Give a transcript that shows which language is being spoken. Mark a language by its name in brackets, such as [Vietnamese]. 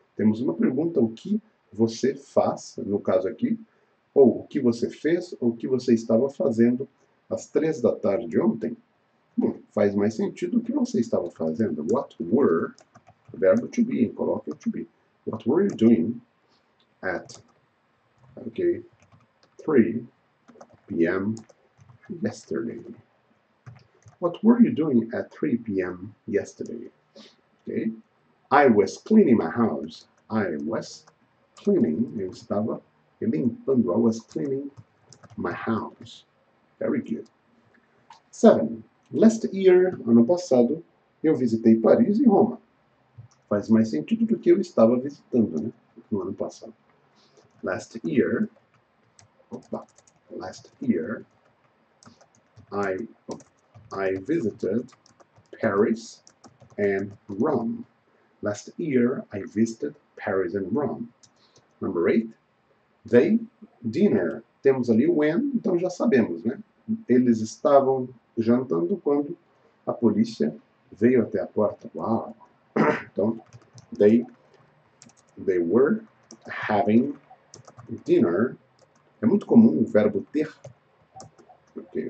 [Portuguese] Temos uma pergunta: o que você faz, no caso aqui, ou o que você fez, ou o que você estava fazendo às 3 da tarde de ontem? Faz mais sentido o que você estava fazendo. [English] What were, verbo to be, coloque to be. What were you doing at, okay, 3 p.m. yesterday? What were you doing at 3 p.m. yesterday? Okay. I was cleaning my house. I was cleaning. [Portuguese] Eu estava limpando. [English] I was cleaning my house. Very good. 7. Last year, [Portuguese] ano passado, eu visitei Paris e Roma. Faz mais sentido do que eu estava visitando, né? No ano passado. [English] Last year. Opa. Last year. I visited Paris and Rome. Last year, I visited Paris and Rome. Number 8. They dinner [Portuguese] temos ali o N, então já sabemos, né? Eles estavam jantando quando a polícia veio até a porta. [English] Uau! Então, they were having dinner. [Portuguese] É muito comum o verbo ter. Okay?